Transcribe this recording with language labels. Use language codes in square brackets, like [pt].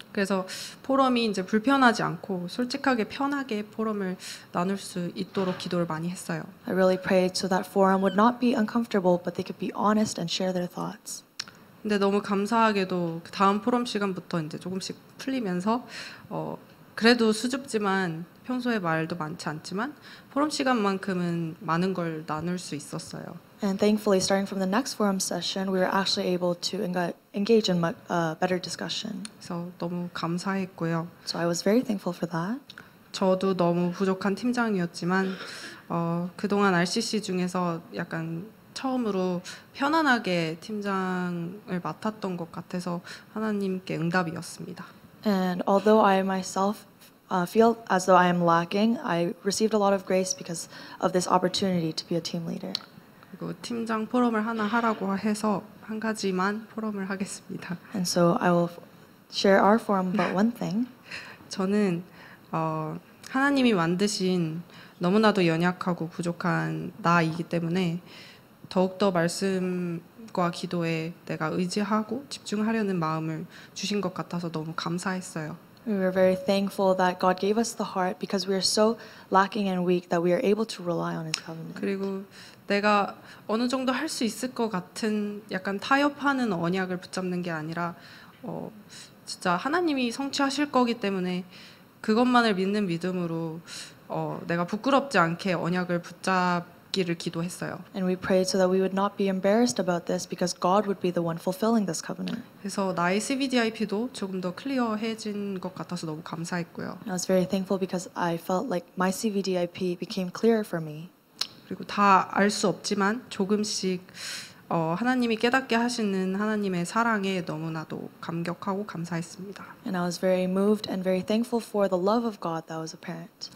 [ko] 그래서 포럼이 이제 불편하지 않고 솔직하게 편하게 포럼을 나눌 수 있도록 기도를 많이 했어요. [en] I really prayed so that forum would not be uncomfortable, but they could be honest and share their thoughts. [ko] 근데 너무 감사하게도 다음 포럼 시간부터 이제 조금씩 풀리면서 그래도 수줍지만 평소에 말도 많지 않지만 포럼 시간만큼은 많은 걸 나눌 수 있었어요. [en] And thankfully, starting from the next forum session, we were actually able to engage in a better discussion. [ko] 그래서 너무 감사했고요. [en] So I was very thankful for that. [ko] 저도 너무 부족한 팀장이었지만 그동안 RCC 중에서 약간 처음으로 편안하게 팀장을 맡았던 것 같아서 하나님께 응답이었습니다. [en] And although I myself feel as though I am lacking, I received a lot of grace because of this opportunity to be a team leader. [ko] 그리고 팀장 포럼을 하나 하라고 해서 한 가지만 포럼을 하겠습니다. [en] And so I will share our forum about one thing. [ko] 저는 하나님이 만드신 너무나도 연약하고 부족한 나이기 때문에 더욱더 말씀과 기도에 내가 의지하고 집중하려는 마음을 주신 것 같아서 너무 감사했어요. [en] We are very thankful that God gave us the heart because we are so lacking and weak that we are able to rely on His covenant. [ko] 그리고 내가 어느 정도 할 수 있을 것 같은 약간 타협하는 언약을 붙잡는 게 아니라 진짜 하나님이 성취하실 거기 때문에 그것만을 믿는 믿음으로 내가 부끄럽지 않게 언약을 붙잡기를 기도했어요. [en] And we prayed so that we would not be embarrassed about this because God would be the one fulfilling this covenant. [ko] 그래서 나의 CVDIP도 조금 더 클리어해진 것 같아서 너무 감사했고요. [en] I was very thankful because I felt like my CVDIP became clearer for me. [ko] 그리고 다 알 수 없지만 조금씩 하나님이 깨닫게 하시는 하나님의 사랑에 너무나도 감격하고 감사했습니다. [en] And I was very moved and very thankful for the love of God that was apparent.